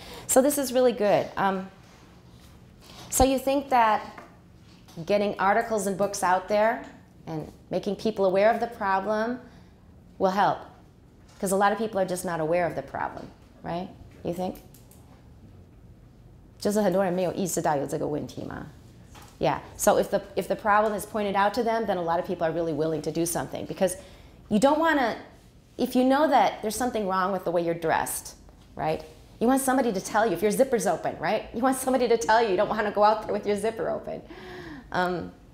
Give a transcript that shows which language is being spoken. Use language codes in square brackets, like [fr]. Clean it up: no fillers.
[en] So this is really good. So you think that getting articles and books out there and making people aware of the problem will help. Because a lot of people are just not aware of the problem, right? You think? [zh] 就是很多人没有意识到有这个问题吗? [en] Yeah, so if the problem is pointed out to them, then a lot of people are really willing to do something. Because you don't want to, if you know that there's something wrong with the way you're dressed, right? You want somebody to tell you if your zipper's open, right? You want somebody to tell you, you don't want to go out there with your zipper open.